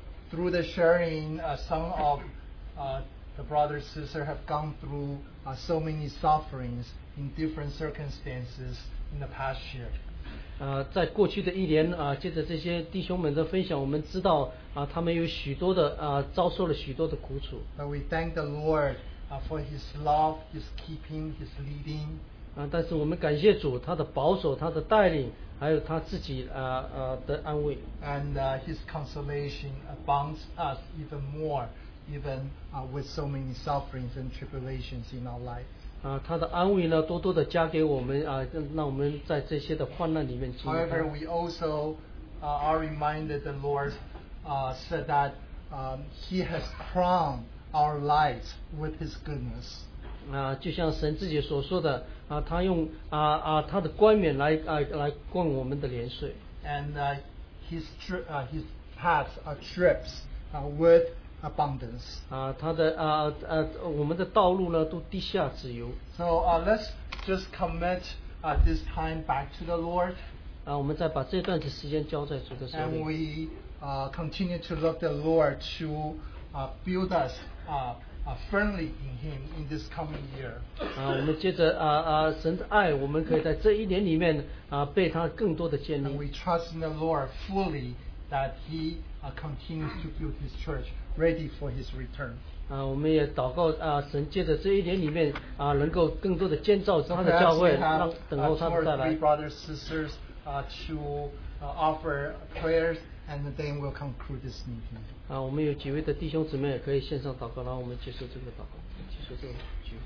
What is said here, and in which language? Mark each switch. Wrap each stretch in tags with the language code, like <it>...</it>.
<en>Through the sharing, some of the brothers and sisters have gone through so many sufferings in different circumstances in the past year.</en> <zh>在过去的一年啊，借着这些弟兄们的分享，我们知道啊，他们有许多的啊，遭受了许多的苦楚。</zh> <en>But we thank the Lord for His love, His keeping, His leading.</en> <zh>但是我们感谢主，他的保守，他的带领。还有他自己的安慰。</zh> <en>And his consolation abounds us even more, even with so many sufferings and tribulations in our life.</en> <zh>他的安慰呢，多多的加给我们让我们在这些的患难里面经历。</zh> <en>However, we also are reminded the Lord said that he has crowned our lives with his goodness.</en> <zh>就像神自己所说的。他用他的冠冕来冠我们的连睡。</zh> <en>And his paths are drips with abundance.</en> <zh>他的我们的道路呢都滴下自由。</zh> <en>So let's just commit this time back to the Lord.</en> <zh>我们再把这段时间交在主的手里。</zh> <en>And we continue to look the Lord to build us up. Firmly in Him in this coming year.</en> <zh>我们接着神的爱，我们可以在这一年里面被他更多的建立。</zh> <en>And we trust in the Lord fully that He continues to build His church ready for His return.</en> <zh>我们也祷告神借着这一年里面能够更多的建造他的教会，等候他的再来。</zh> <en>Three brothers, sisters, to offer prayers. And then we'll conclude this meeting.</en> <zh>我们有几位的弟兄姊妹也可以线上祷告，然后我们结束这个祷告，结束这个聚会。</zh>